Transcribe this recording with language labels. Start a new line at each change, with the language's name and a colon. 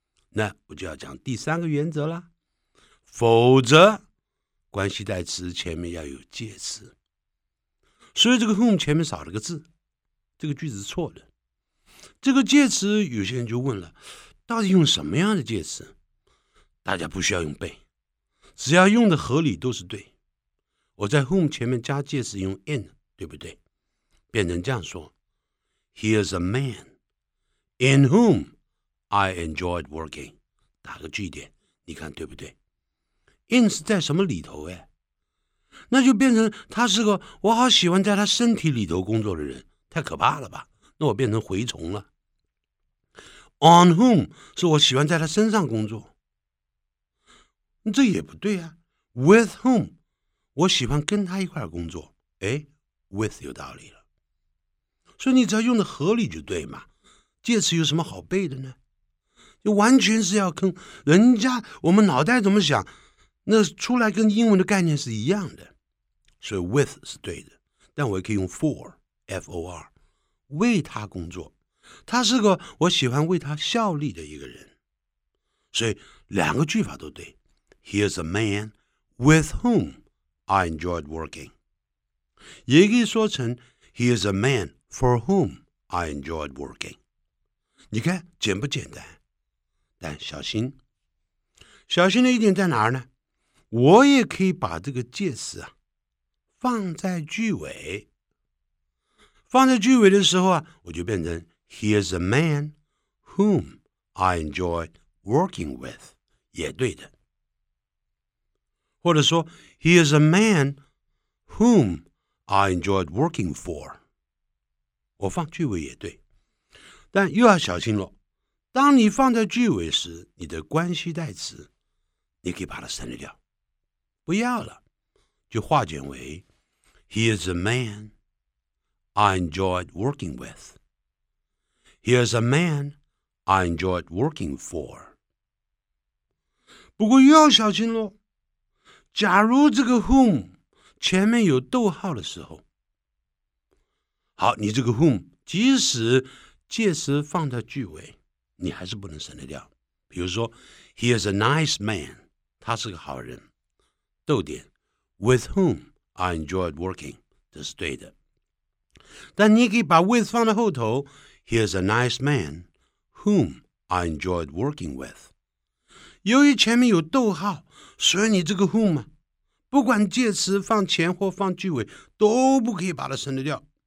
Chinese: 那我就要讲第三个原则了，否则关系代词前面要有介词，所以这个 whom 前面少了个字，这个句子是错的。这个介词有些人就问了，到底用什么样的介词？大家不需要用背，只要用的合理都是对。我在 whom 前面加介词用 in， 对不对？
English: 变成这样说， Here's a man in whom I enjoyed working，
Chinese: 打个句点，你看对不对？ In 是在什么里头哎？那就变成他是个我好喜欢在他身体里头工作的人，太可怕了吧，那我变成蛔虫了。 On whom 是我喜欢在他身上工作，这也不对啊。 With whom 我喜欢跟他一块工作，哎 With 有道理了。所以你只要用的合理就对嘛，介词有什么好背的呢？就完全是要跟人家我们脑袋怎么想，那出来跟英文的概念是一样的。所以 with 是对的，但我也可以用 for F-O-R 为他工作，他是个我喜欢为他效力的一个人，所以两个句法都对。
English: Here's a man with whom I enjoyed working，
Chinese: 也可以说成
English: Here's a man for whom I enjoyed working。
Chinese: 你看简不简单？但小心，小心的一点在哪儿呢？我也可以把这个介词啊放在句尾，放在句尾的时候啊，我就变成
English: Here's a man whom I enjoy working with，
Chinese: 也对的。或者说
English: Here's a man whom I enjoyed working for，
Chinese: 我放句尾也对。但又要小心了，当你放在句尾时，你的关系代词你可以把它省掉，不要了，就化简为
English: Here's a man I enjoyed working with， Here's a man I enjoyed working for。
Chinese: 不过又要小心咯，假如这个 whom 前面有逗号的时候，好，你这个 whom 即使介词放在句尾你还是不能省得掉。比如说
English: Here's a nice man，
Chinese: 他是个好人，逗点
English: With whom I enjoyed working，
Chinese: 这是对的。但你可以把 with 放在后头，
English: Here's a nice man whom I enjoyed working with，
Chinese: 由于前面有逗号，所以你这个 whom 啊，不管介词放前或放句尾都不可以把它省得掉。